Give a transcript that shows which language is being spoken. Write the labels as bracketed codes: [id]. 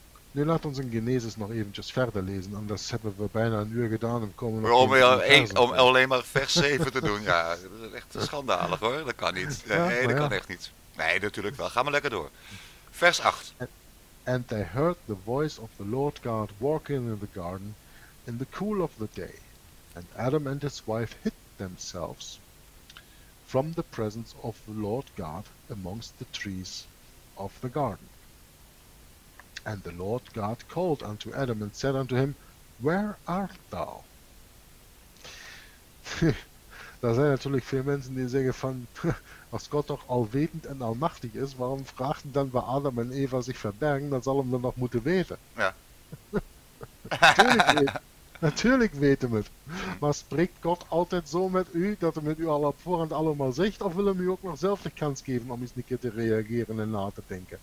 [nl] Nu laat ons in Genesis nog eventjes verder lezen. Anders hebben we bijna een uur gedaan. En komen om, om alleen maar vers 7 te doen. Ja, dat is echt schandalig hoor. Dat kan niet. Ja, nee, dat kan echt niet. Nee, natuurlijk wel. Ga maar lekker door. Vers 8. [en] And they heard the voice of the Lord God walking in the garden in the cool of the day. And Adam and his wife hid themselves from the presence of the Lord God amongst the trees of the garden. And the Lord God called unto Adam and said unto him, Where art thou? [nl] Da zijn natuurlijk veel mensen die zeggen van, als God toch alwetend en almachtig is, waarom vragen dan waar Adam en Eva zich verbergen, dan zal hem dan nog moeten weten. Ja. Natuurlijk weten we het. Maar spreekt God altijd zo met u, dat hij met u al op voorhand allemaal zegt, of wil hem u ook nog zelf de kans geven om eens een keer te reageren en na te denken?